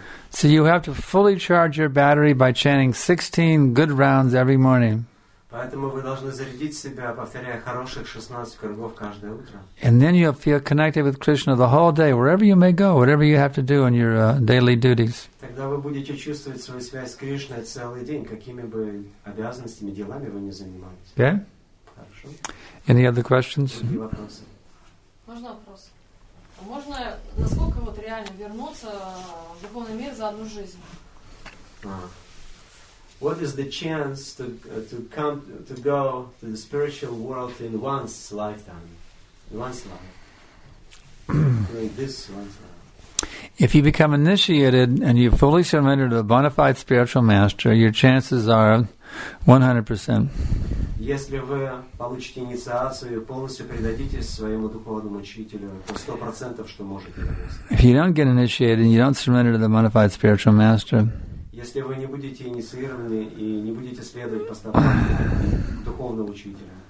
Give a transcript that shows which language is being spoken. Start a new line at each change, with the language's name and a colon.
English: So you have to fully charge your battery by chanting 16 good rounds every morning. And then you'll feel connected with Krishna the whole day, wherever you may go, whatever you have to do in your daily duties.
Russian: Тогда вы будете чувствовать свою связь с Кришной целый день, какими бы обязанностями, делами вы не занимались.
English: Okay? Any other questions?
Russian: Можно вопрос? Можно насколько вот реально вернуться в духовный мир за одну жизнь?
English: What is the chance to come to go to the spiritual world in one's lifetime? In one's life. This one's life. If you become initiated and you fully surrender to a bona fide spiritual master, your chances are 100%.
Russian: Если вы получите инициацию и полностью предадитесь своему духовному учителю, то 100% что можете добиться.
English: If you don't get initiated and you don't surrender to the bona fide spiritual master,
Russian: если вы не будете инициированы и не будете следовать постановкам духовного учителя,